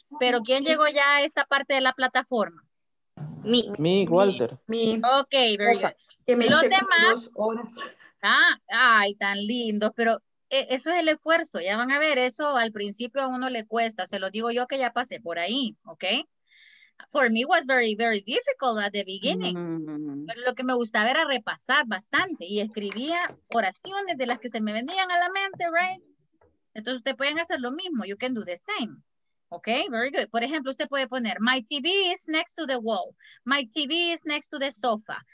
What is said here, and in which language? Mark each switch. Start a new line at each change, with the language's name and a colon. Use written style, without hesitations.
Spanish: Pero ¿quién llegó ya a esta parte de la plataforma?
English: Me, Walter. Me. Ok, very good.
Spanish: Los demás. Ay, tan lindos. Pero eso es el esfuerzo. Ya van a ver, eso al principio a uno le cuesta. Se lo digo yo que ya pasé por ahí, ok.
English: For me was very, very difficult at the beginning.
Spanish: Pero lo que me gustaba era repasar bastante y escribía oraciones de las que se me venían a la mente,
English: right?
Spanish: Entonces, ustedes pueden hacer lo mismo.
English: You can do the same. Okay, very good.
Spanish: Por ejemplo, usted puede poner,
English: my TV is next to the wall. My TV is next to the sofa.